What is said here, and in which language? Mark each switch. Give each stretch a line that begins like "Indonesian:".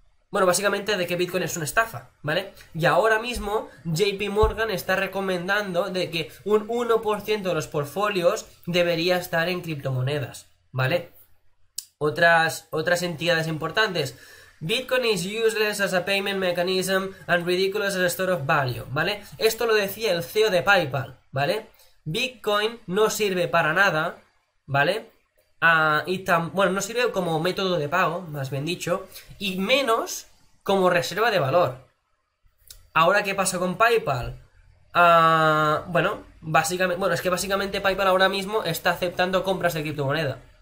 Spanish: Bueno, básicamente de que Bitcoin es una estafa, ¿vale? Y ahora mismo JP Morgan está recomendando de que un 1% de los portfolios debería estar en criptomonedas, ¿vale? Otras entidades importantes.
English: Bitcoin is useless as a payment mechanism and ridiculous as a store of value, ¿vale?
Spanish: Esto lo decía el CEO de PayPal, ¿vale? Bitcoin no sirve para nada, ¿vale? Bueno, no sirve como método de pago, más bien dicho, y menos como reserva de valor. Ahora, ¿qué pasa con PayPal? Bueno, es que básicamente PayPal ahora mismo está aceptando compras de criptomoneda.